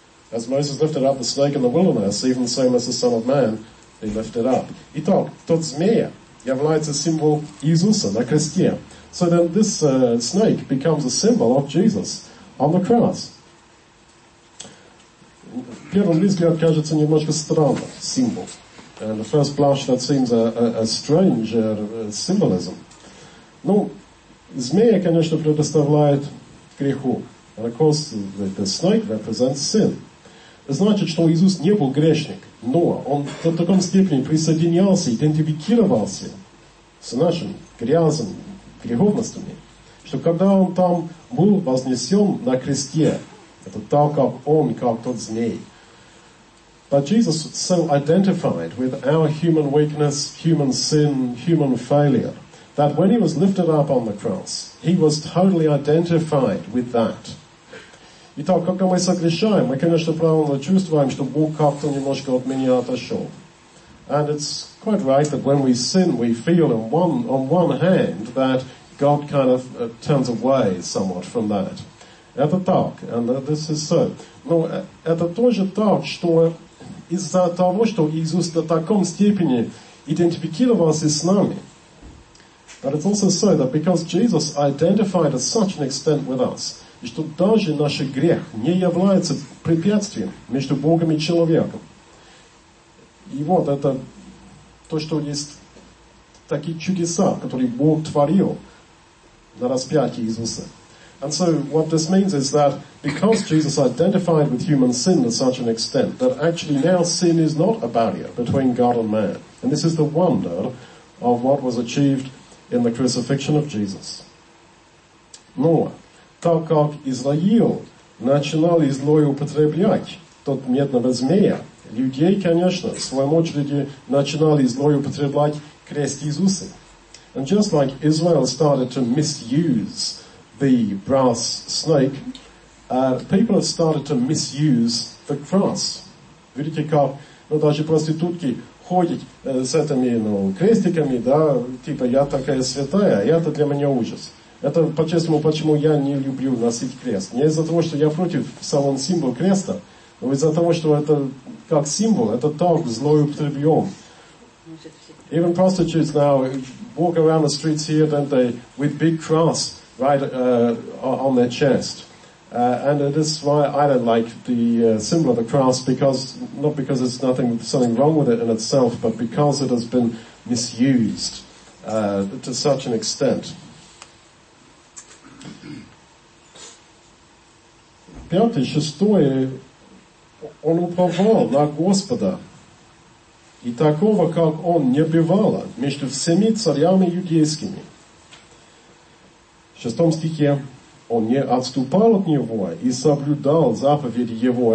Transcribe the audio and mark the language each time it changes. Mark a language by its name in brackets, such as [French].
[English] As Moses lifted up the snake in the wilderness, even the same as the Son of Man, he lifted up. [Russian] Итак, тот змея является символ Иисуса на кресте. [English] So then this snake becomes a symbol of Jesus on the cross. [Russian] В первом взгляд кажется немножко странно, символ. [English] And the first blush, that seems a strange symbolism. [Russian] Ну, змея, конечно, предоставляет греху. [English] And of course, the snake represents sin. [Russian] Значит, что Иисус не был грешник, но он в таком степени присоединялся, идентифицировался с нашим грязным греховностями, что когда он там был вознесен на кресте, это так, как он, как тот змей. [English] But Jesus so identified with our human weakness, human sin, human failure, that when he was lifted up on the cross, he was totally identified with that. [Russian] Итак, когда мы согрешаем, мы, конечно, правильно чувствуем, что Бог как-то немножко от меня отошел. [English] And it's quite right that when we sin, we feel on one hand that God kind of turns away somewhat from that. [Russian] Это так, [English] and this is so. [Russian] Но это тоже так, что из-за того, что Иисус на таком степени идентифицировался с нами, [English] but it's also so that because Jesus identified at such an extent with us, [Russian] что даже наш грех не является препятствием между Богом и человеком. И вот это то, что есть такие чудеса, которые Бог творил на распятии Иисуса. [English] And so what this means is that because Jesus identified with human sin to such an extent, that actually now sin is not a barrier between God and man. And this is the wonder of what was achieved in the crucifixion of Jesus. [Russian] Но так как Израил начинал злоупотреблять тот медного змея, людей, конечно, в своем очереди начинали злоупотреблять крест Иисуса. [English] And just like Israel started to misuse the brass snake, people have started to misuse the cross. [Russian] Видите, как, ну, даже проститутки ходят с этими, ну, крестиками, да, типа, я такая святая, и это для меня ужас. Это, по-честному, почему я не люблю носить крест. Не из-за того, что я против самого символа креста, но из-за того, что это как символ, это так злоупотребен. [English] Even prostitutes now walk around the streets here, don't they, with big cross right on their chest. And this is why I don't like the symbol of the cross, because not because there's nothing, something wrong with it in itself, but because it has been misused to such an extent. [Russian] Пятый, шестой, он уповал на Господа, и такого, как он, не бывало между всеми царями иудейскими. В шестом стихе, он не отступал от него и соблюдал заповеди его.